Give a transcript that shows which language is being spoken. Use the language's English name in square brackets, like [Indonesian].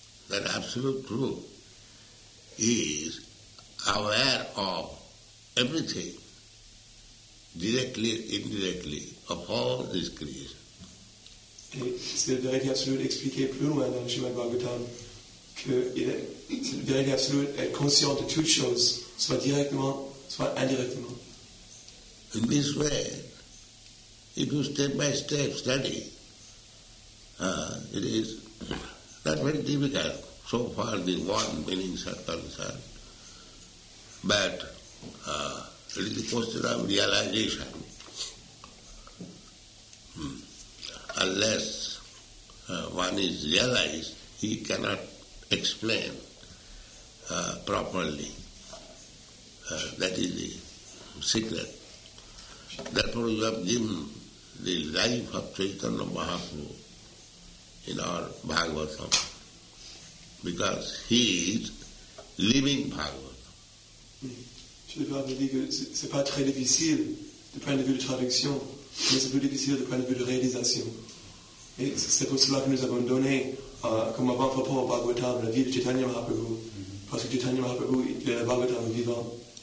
[English] That absolute truth is aware of everything, directly, indirectly, of all this creation. [French] C'est la vérité absolue expliquée plus loin dans le Srimad Bhagavatam que la vérité absolue est consciente de toutes choses, soit directement, soit indirectement. [English] In this way, if you step by step study, it is not very difficult so far the one meanings are concerned. But it is the question of realization. Unless one is realized, he cannot explain properly. That is the secret. Therefore, you have given the life of Chaitanya Mahaprabhu in our Bhagavatam, because he is living Bhagavatam. [French] Je veux dire que c'est pas très difficile du point de vue de traduction, mais c'est plus difficile du point de vue de réalisation. Et c'est pour cela que nous avons donné comme avant-propos au Bhagavatam la vie de Chaitanya Mahaprabhu, parce que Chaitanya Mahaprabhu est le Bhagavatam vivant.